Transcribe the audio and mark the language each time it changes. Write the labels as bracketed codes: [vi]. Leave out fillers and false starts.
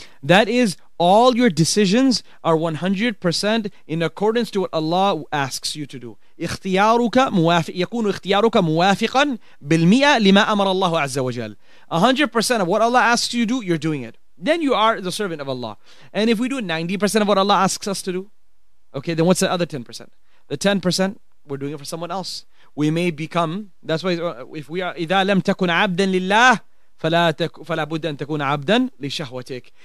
[en] That is, all your decisions are 100% in accordance to what Allah asks you to do. [ar] اختياروك موافقا بالمئة لما أمر الله عز وجل. [en] 100% of what Allah asks you to do, you're doing it. Then you are the servant of Allah. And if we do 90% of what Allah asks us to do, okay, then what's the other 10%? The 10%, we're doing it for someone else. We may become, that's why if we are, [ar] إِذَا لَمْ تَكُنْ عَبْدًا لِلَّهِ فَلَا بُدَّ أَن تَكُنْ عَبْدًا لِشَهْوَتِكَ.